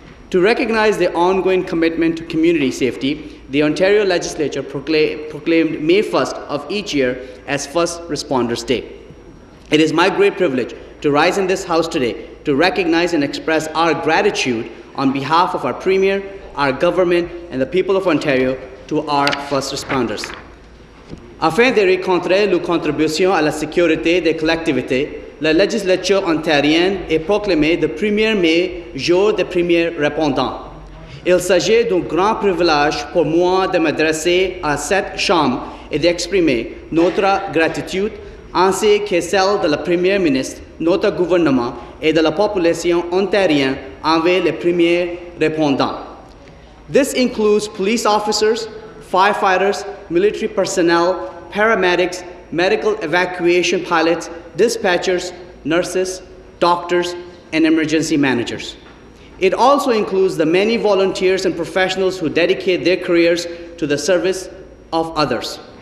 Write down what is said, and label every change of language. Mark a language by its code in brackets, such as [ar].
[en] To recognize their ongoing commitment to community safety, the Ontario Legislature proclaimed May 1st of each year as First Responders Day. It is my great privilege to rise in this House today to recognize and express our gratitude on behalf of our Premier, our government, and the people of Ontario to our first responders. [fr] Afin de reconnaître leur contribution à la sécurité des collectivités, la législature ontarienne est proclamée le 1er mai, jour des premiers répondants. Il s'agit d'un grand privilège pour moi de m'adresser à cette Chambre et d'exprimer notre gratitude ainsi que celle de la Première ministre, notre gouvernement et de la population ontarienne envers les premiers répondants. [en] This includes police officers, firefighters, military personnel, paramedics, medical evacuation pilots, dispatchers, nurses, doctors, and emergency managers. It also includes the many volunteers and professionals who dedicate their careers to the service of others.